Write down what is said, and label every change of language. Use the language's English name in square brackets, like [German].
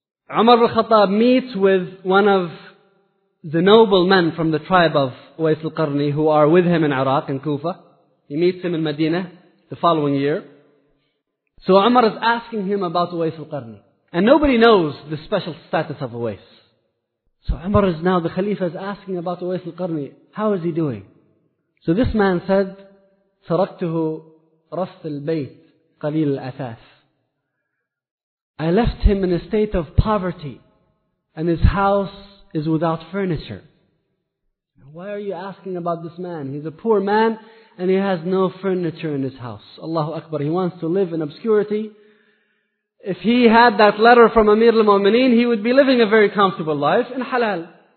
[English] Umar al-Khattab meets with one of the noble men from the tribe of Uwais al-Qarni, who are with him in Iraq, in Kufa. He meets him in Medina the following year. So Umar is asking him about Uwais al-Qarni. And nobody knows the special status of Uwais. So Umar is now, the Khalifa is asking about Uwais al-Qarni. How is he doing? So this man said, [Arabic] تَرَكْتُهُ رَسْتِ الْبَيْتِ قَلِيلِ الْأَثَاثِ. [English] I left him in a state of poverty, and his house is without furniture. Why are you asking about this man? He's a poor man and he has no furniture in his house. Allahu Akbar. He wants to live in obscurity. If he had that letter from Amir al-Mu'mineen, he would be living a very comfortable life in halal.